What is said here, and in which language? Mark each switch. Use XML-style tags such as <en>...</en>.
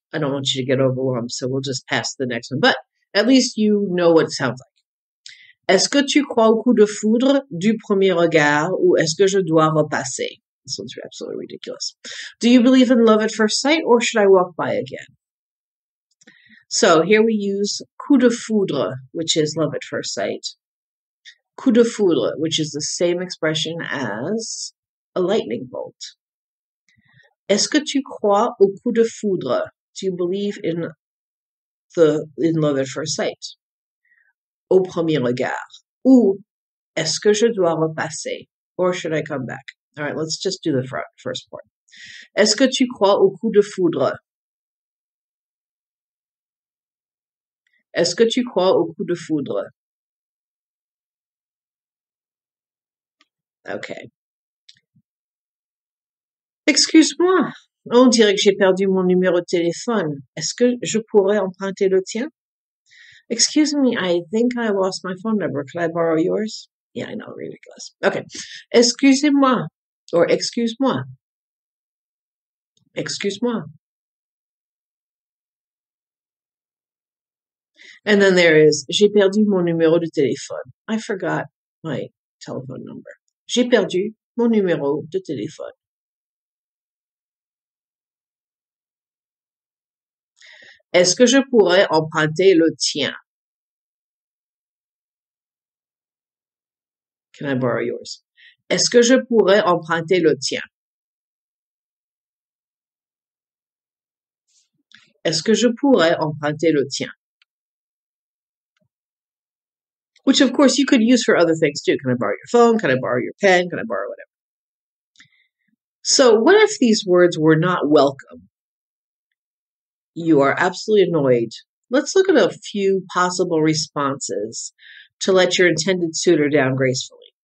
<en>I don't want you to get overwhelmed, so we'll just pass the next one. But at least you know what it sounds like.</en> <fr>Est-ce que tu crois au coup de foudre du premier regard ou est-ce que je dois repasser?</fr> <en>This one's absolutely ridiculous. Do you believe in love at first sight or should I walk by again? So here we use coup de foudre, which is love at first sight. Coup de foudre, which is the same expression as a lightning bolt.</en> <fr>Est-ce que tu crois au coup de foudre?</fr> <en>Do you believe in love at first sight?</en> <fr>Au premier regard. Ou est-ce que je dois repasser?</fr> <en>Or should I come back? All right, let's just do the first part.</en> <fr>Est-ce que tu crois au coup de foudre? Est-ce que tu crois au coup de foudre?</fr> <en>Okay.</en> <fr>Excuse-moi. On dirait que j'ai perdu mon numéro de téléphone. Est-ce que je pourrais emprunter le tien?</fr> <en>Excuse me, I think I lost my phone number. Could I borrow yours? Yeah, I know, ridiculous. Okay.</en> <fr>Excusez-moi.</fr> <en>Or</en> <fr>excuse-moi. Excuse-moi.</fr> <en>And then there is,</en> <fr>j'ai perdu mon numéro de téléphone.</fr> <en>I forgot my telephone number.</en> <fr>J'ai perdu mon numéro de téléphone. Est-ce que je pourrais emprunter le tien?</fr> <en>Can I borrow yours?</en> <fr>Est-ce que je pourrais emprunter le tien? Est-ce que je pourrais emprunter le tien?</fr> <en>Which, of course, you could use for other things, too. Can I borrow your phone? Can I borrow your pen? Can I borrow whatever? So, what if these words were not welcome? You are absolutely annoyed. Let's look at a few possible responses to let your intended suitor down gracefully.</en>